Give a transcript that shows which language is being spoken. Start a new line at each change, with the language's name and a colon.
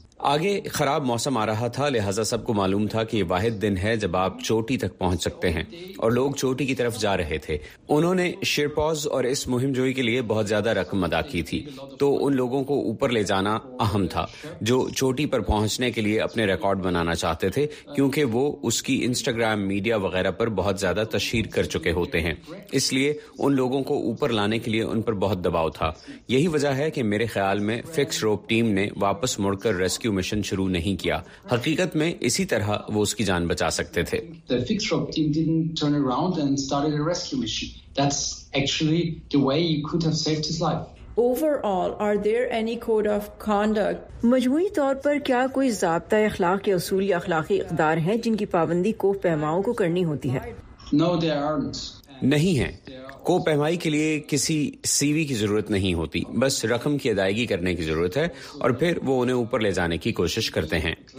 Urdu: آگے خراب موسم آ رہا تھا لہٰذا سب کو معلوم تھا کہ یہ واحد دن ہے جب آپ چوٹی تک پہنچ سکتے ہیں اور لوگ چوٹی کی طرف جا رہے تھے انہوں نے شیرپوز اور اس مہم جوئی کے لیے بہت زیادہ رقم ادا کی تھی تو ان لوگوں کو اوپر لے جانا اہم تھا جو چوٹی پر پہنچنے کے لیے اپنے ریکارڈ بنانا چاہتے تھے کیونکہ وہ اس کی انسٹاگرام میڈیا وغیرہ پر بہت زیادہ تشہیر کر چکے ہوتے ہیں اس لیے ان لوگوں کو اوپر لانے کے لیے ان پر بہت دباؤ تھا یہی وجہ ہے کہ میرے خیال میں فکس روپ ٹیم نے واپس مڑ کر ریسکیو مشن شروع نہیں کیا حقیقت میں اسی طرح وہ اس کی جان بچا سکتے تھے
English: The fixed rope team didn't turn around and started a rescue mission. That's actually the way you could have saved his life. Overall, are there any code of conduct?
Urdu: مجموعی طور پر کیا کوئی ضابطہ اخلاق یا اصول یا اخلاقی اقدار ہیں جن کی پابندی کوہ پیماؤں کو کرنی ہوتی ہے
English: No, there aren't.
Urdu: نہیں ہیں کوہ پیمائی کے لیے کسی سی وی کی ضرورت نہیں ہوتی بس رقم کی ادائیگی کرنے کی ضرورت ہے اور پھر وہ انہیں اوپر لے جانے کی کوشش کرتے ہیں